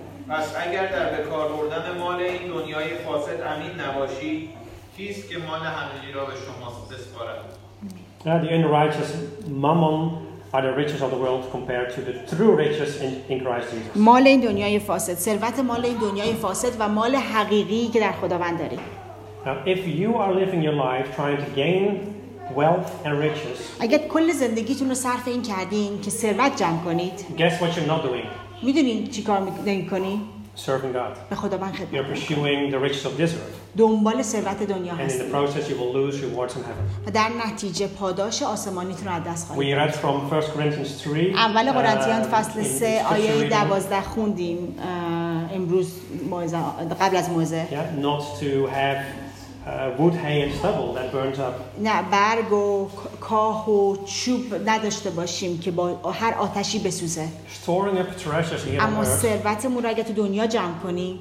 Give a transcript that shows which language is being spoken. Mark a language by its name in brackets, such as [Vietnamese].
[Persian] پس اگر در بکار بردن مال این دنیای فاسد امین نباشی کیست که مال همگی را به شما بسپارد؟ [English] Yeah, the unrighteous mammon are the riches of the world compared to the true riches in Christ Jesus. [Persian] مال این دنیای فاسد، ثروت مال این دنیای فاسد و مال حقیقی که در خداوند داری. [English] Now, if you are living your life trying to gain wealth and riches. [Persian] اگر کل زندگیتون رو صرف این کردین که ثروت جمع کنید. [English] Guess what you're not doing? [Persian] میدونین چی کار میکنی؟ [English] Serving God. [Persian] به خداوند خدمت. [English] You're pursuing the riches of this earth. [Persian] دنبال ثروت دنیا هستی. [English] And in the process you will lose rewards in heaven. [Persian] و در نتیجه پاداش آسمانیتون رو از دست خواهید. [English] We read from 1 Corinthians 3. [Persian] اول قرنتیان فصل 3 آیه 12 خوندیم امروز قبل از موعظه. [English] Yeah, not to have wood, hay and stubble that burns up. [Persian] نه برگ و کاه و چوب نداشته باشیم که با هر آتشی بسوزه. [English] Storing up treasures here. [Persian] اما ثروتمون رو اگه تو دنیا جمع کنی.